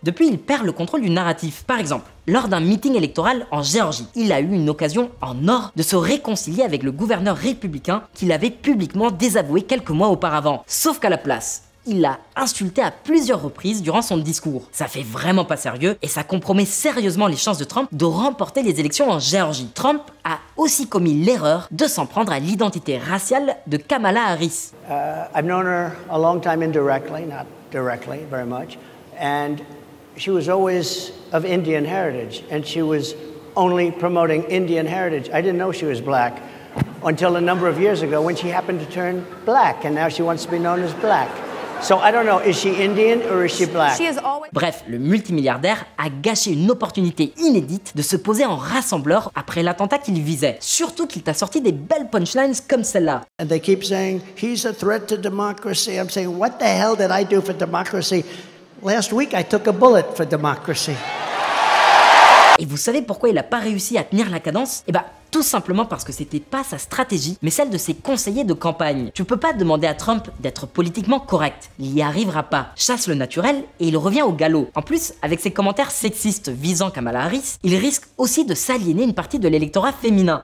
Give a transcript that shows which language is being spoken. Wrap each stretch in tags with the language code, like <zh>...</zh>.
<fr>Depuis, il perd le contrôle du narratif. Par exemple, lors d'un meeting électoral en Géorgie, il a eu une occasion en or de se réconcilier avec le gouverneur républicain qu'il avait publiquement désavoué quelques mois auparavant. Sauf qu'à la place, il l'a insulté à plusieurs reprises durant son discours. Ça fait vraiment pas sérieux et ça compromet sérieusement les chances de Trump de remporter les élections en Géorgie. Trump a aussi commis l'erreur de s'en prendre à l'identité raciale de Kamala Harris.</fr> <en>I've known her a long time indirectly, not directly, very much, and she was always of Indian heritage and she was only promoting Indian heritage. I didn't know she was black until a number of years ago when she happened to turn black and now she wants to be known as black. So I don't know, is she Indian or is she black? She is always...</en> <fr>Bref, le multimilliardaire a gâché une opportunité inédite de se poser en rassembleur après l'attentat qu'il visait. Surtout qu'il t'a sorti des belles punchlines comme celle-là.</fr> <en>And they keep saying he's a threat to democracy. I'm saying what the hell did I do for democracy? Last week I took a bullet for democracy.</en> <fr>Et vous savez pourquoi il a pas réussi à tenir la cadence? Eh ben, tout simplement parce que c'était pas sa stratégie, mais celle de ses conseillers de campagne. Tu peux pas demander à Trump d'être politiquement correct, il y arrivera pas. Chasse le naturel et il revient au galop. En plus, avec ses commentaires sexistes visant Kamala Harris, il risque aussi de s'aliéner une partie de l'électorat féminin.</fr>